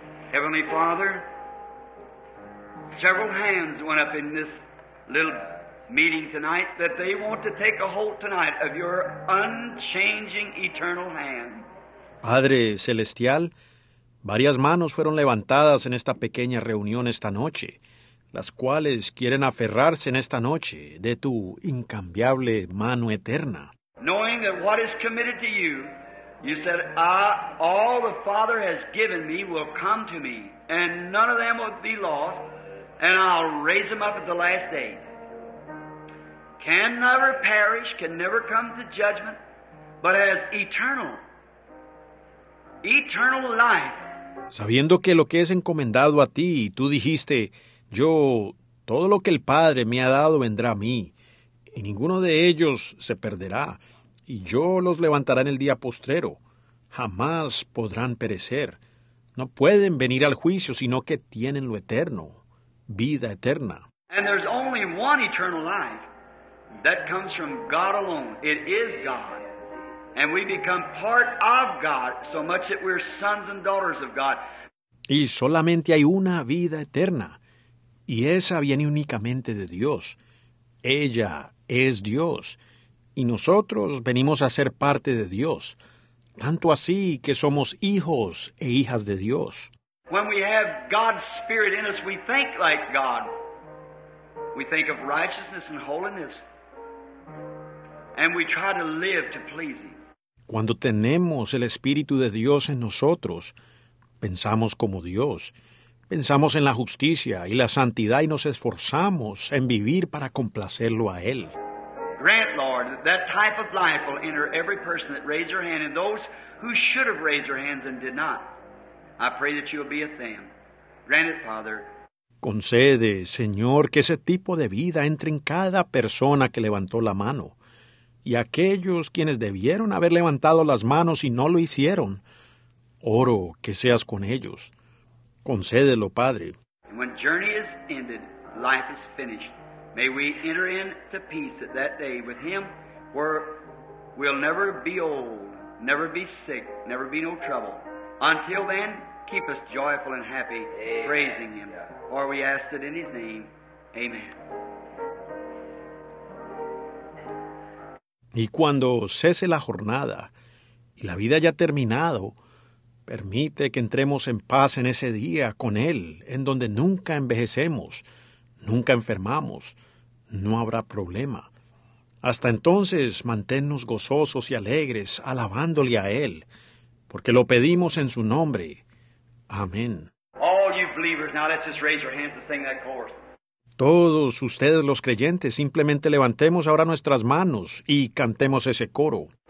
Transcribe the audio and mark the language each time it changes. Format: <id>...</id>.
<en>Heavenly Father, several hands went up in this little meeting tonight, that they want to take a hold tonight of your unchanging eternal hand.</en> <es>Padre Celestial, varias manos fueron levantadas en esta pequeña reunión esta noche, las cuales quieren aferrarse en esta noche de tu incambiable mano eterna.</es> <en>Knowing that what is committed to you, you said, all the Father has given me will come to me, and none of them will be lost, and I'll raise them up at the last day. Can never perish, can never come to judgment, but has eternal life.</en> <es>Sabiendo que lo que es encomendado a ti, tú dijiste, yo, todo lo que el Padre me ha dado vendrá a mí, y ninguno de ellos se perderá, y yo los levantaré en el día postrero. Jamás podrán perecer. No pueden venir al juicio, sino que tienen lo eterno, vida eterna.</es> <en>And there's only one eternal life that comes from God alone. It is God. And we become part of God so much that we're sons and daughters of God.</en> <es>Y solamente hay una vida eterna, y esa viene únicamente de Dios. Ella es Dios, y nosotros venimos a ser parte de Dios, tanto así que somos hijos e hijas de Dios.</es> <en>When we have God's Spirit in us, we think like God. We think of righteousness and holiness, and we try to live to please Him.</en> <es>Cuando tenemos el Espíritu de Dios en nosotros, pensamos como Dios. Pensamos en la justicia y la santidad y nos esforzamos en vivir para complacerlo a Él.</es> <en>Grant, Lord, that type of life will enter every person that raised their hand and those who should have raised their hands and did not. I pray that you will be with them. Grant it, Father.</en> <es>Concede, Señor, que ese tipo de vida entre en cada persona que levantó la mano. Y aquellos quienes debieron haber levantado las manos y no lo hicieron, oro que seas con ellos. Concédelo, Padre.</es> <en>And when journey is ended, life is finished. May we enter into peace at that day with Him where we'll never be old, never be sick, never be no trouble. Until then, keep us joyful and happy, amen. Praising Him. For we ask it in His name. Amen.</en> <es>Y cuando cese la jornada y la vida haya terminado, permite que entremos en paz en ese día con Él, en donde nunca envejecemos, nunca enfermamos, no habrá problema. Hasta entonces, manténnos gozosos y alegres, alabándole a Él, porque lo pedimos en su nombre. Amén.</es> <en>All you believers, now let's just raise your hands and sing that chorus.</en> <es>Todos ustedes los creyentes, simplemente levantemos ahora nuestras manos y cantemos ese coro.</es>